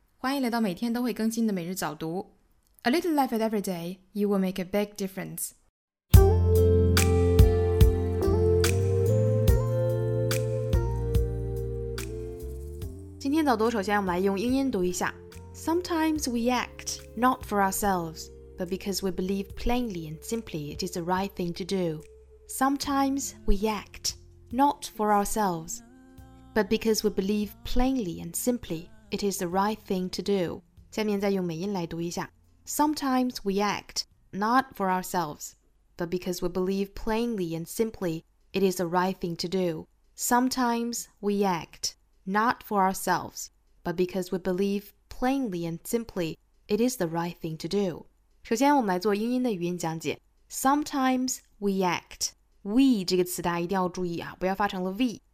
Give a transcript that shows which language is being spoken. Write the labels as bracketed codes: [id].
[zh] 欢迎来到每天都会更新的每日早读。 [en] A little life at every day, you will make a big difference. [zh] 今天早读首先我们来用英音读一下。 [en] Sometimes we act not for ourselves, but because we believe plainly and simply it is the right thing to do. Sometimes we act not for ourselves. But because we believe plainly and simply, it is the right thing to do. [zh] 下面再用美音来读一下。 [en] Sometimes we act, not for ourselves, but because we believe plainly and simply, it is the right thing to do. Sometimes we act, not for ourselves, but because we believe plainly and simply, it is the right thing to do. [zh] 首先我们来做英音的语音讲解。 [en] Sometimes we act. [zh] We 这个词大家一定要注意啊，不要发成了 V.